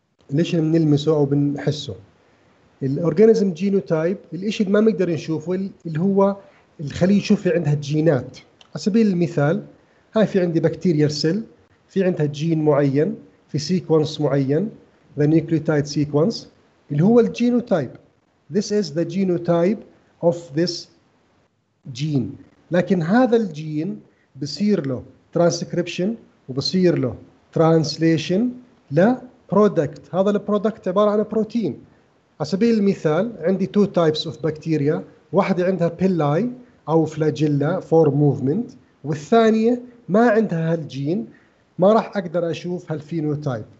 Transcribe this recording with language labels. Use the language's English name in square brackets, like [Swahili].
[Arabic] ليش بنلمسه أو بنحسه؟ الأورجانيزم جينوتايب الإشي ما مقدر نشوفه اللي هو الخلية شوفي عندها جينات. على سبيل المثال هاي في عندي بكتيريا سيل في عندها جين معين في سيكونس معين [English] the nucleotide sequence [Arabic] اللي هو الجينوتايب. [English] This is the genotype of this gene. [Arabic] لكن هذا الجين بصير له ترانسكريبشن وبصير له ترانسليشن لبرودكت. هذا البرودكت عبارة عن بروتين. على سبيل المثال عندي [English] two types of bacteria، [Arabic] واحدة عندها pili أو [English] flagella for movement [Arabic] والثانية ما عندها هالجين، ما راح أقدر أشوف هالفينوتايب.